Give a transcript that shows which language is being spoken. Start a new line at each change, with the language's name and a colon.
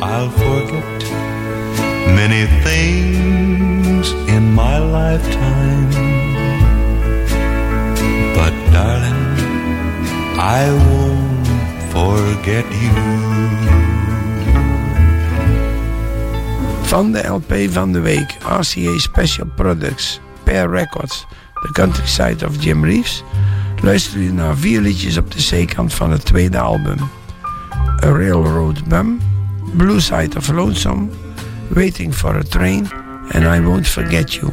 English: I'll forget many things in my lifetime, but darling, I won't forget you.
Dutch: Van de LP van de week, RCA Special Products, Pear Records, The Countryside of Jim Reeves, luister je naar vier liedjes op de zijkant van het tweede album.
English: A Railroad Bum, Blue Side of Lonesome, Waiting for a Train, and I Won't Forget You.